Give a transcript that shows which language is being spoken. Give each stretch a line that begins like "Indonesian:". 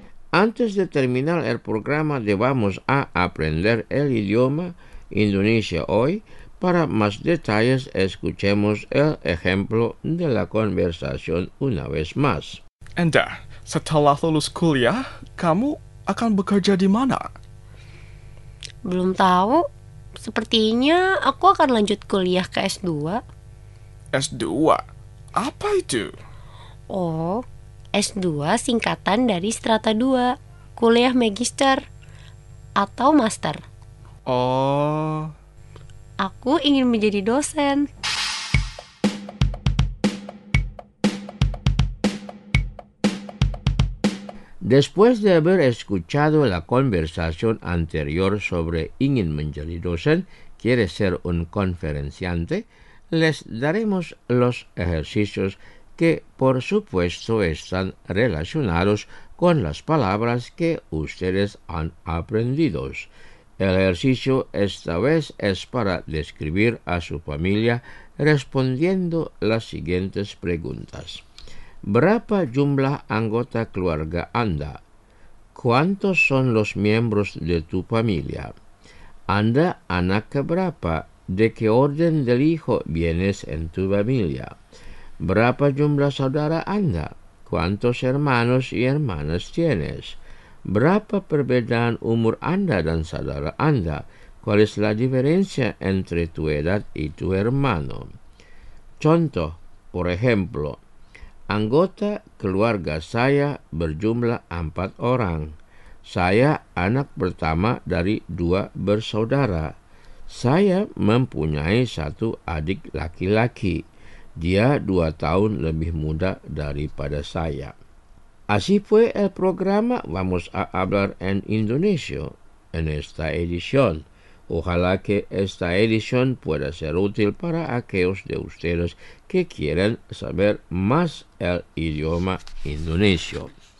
Spanish: Antes de terminar el programa de Vamos a Aprender el Idioma Indonesia Hoy, para más detalles escuchemos el ejemplo de la conversación una vez más.
Indonesian: Enda, setelah lulus kuliah, kamu akan bekerja di mana? Belum tahu. Sepertinya aku akan lanjut kuliah ke S2. S2? Apa itu? Oh, S2 singkatan dari strata 2, kuliah magister atau master. Oh. Aku ingin menjadi dosen.
Spanish: Después de haber escuchado la conversación anterior sobre
Indonesian: ingin menjadi dosen,
Spanish: quiere ser un conferenciante, les daremos los ejercicios que por supuesto están relacionados con las palabras que ustedes han aprendido. El ejercicio esta vez es para describir a su familia respondiendo las siguientes preguntas.
Indonesian: ¿Berapa jumlah anggota keluarga Anda?
Spanish: ¿Cuántos son los miembros de tu familia?
Indonesian: ¿Anda anak keberapa?
Spanish: ¿De qué orden del hijo vienes en tu familia?
Indonesian: ¿Berapa jumlah saudara Anda?
Spanish: ¿Cuántos hermanos y hermanas tienes?
Indonesian: ¿Berapa perbedaan umur Anda dan saudara Anda?
Spanish: ¿Cuál es la diferencia entre tu edad y tu hermano?
Indonesian: Contoh,
Spanish: por ejemplo,
Indonesian: anggota keluarga saya berjumlah 4 orang. Saya anak pertama dari 2 bersaudara. Saya mempunyai 1 adik laki-laki. Dia 2 tahun lebih muda daripada saya.
Spanish: Así fue el programa Vamos a Hablar en Indonesia en esta edición. Ojalá que esta edición pueda ser útil para aquellos de ustedes que quieren saber más el idioma indonesio.